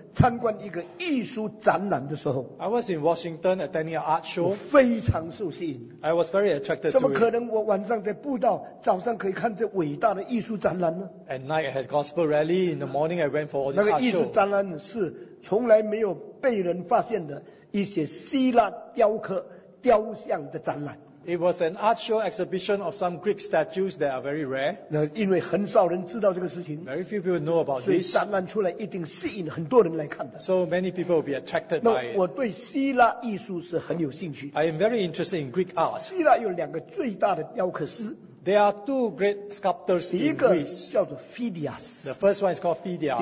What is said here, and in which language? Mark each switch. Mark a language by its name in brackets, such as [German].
[Chinese] 有一次我在这个华盛顿参观一个艺术展览的时候, [English] I was in Washington attending an art show. [Chinese] 我非常受吸引, [English] I was very attracted to it. [Chinese] 怎么可能我晚上在布道, 早上可以看这伟大的艺术展览呢? [English] At night I had gospel rally, in the morning I went for all this art show. [Chinese] 那个艺术展览是从来没有被人发现的, 一些希腊雕刻雕像的展览, [English] It was an art show exhibition of some Greek statues that are very rare. [Chinese] 那因为很少人知道这个事情, [English] Very few people know about this. [Chinese] 所以展览出来一定吸引很多人来看的, [English] So many people will be attracted by it. [Chinese] 那我对希腊艺术是很有兴趣, [English] I am very interested in Greek art. [Chinese] 希腊有两个最大的雕刻师, [English] There are two great sculptors in Greece. Phidias, the first one is called Phidias.